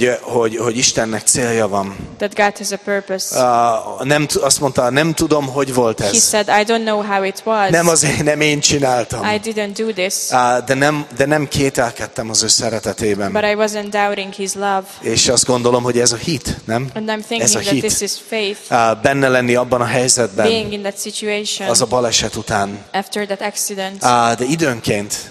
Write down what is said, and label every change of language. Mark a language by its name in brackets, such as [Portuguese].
[Hungarian] Hogy Istennek célja van. [English] That God has a purpose. [Hungarian] Nem azt mondta, nem tudom, hogy volt ez. [English] He said, I don't know how it was. [Hungarian] Nem én csináltam. [English] I didn't do this. [Hungarian] De nem kételkedtem az ő szeretetében. [English] But I wasn't doubting his love. [Hungarian] És azt gondolom, hogy ez a hit, nem? [English] And I'm thinking [Hungarian] ez a hit. [English] That this is faith. [Hungarian] Benne lenni abban a helyzetben. [English] Being in that situation. [Hungarian] Az a baleset után. [English] After that accident. [Hungarian] De időnként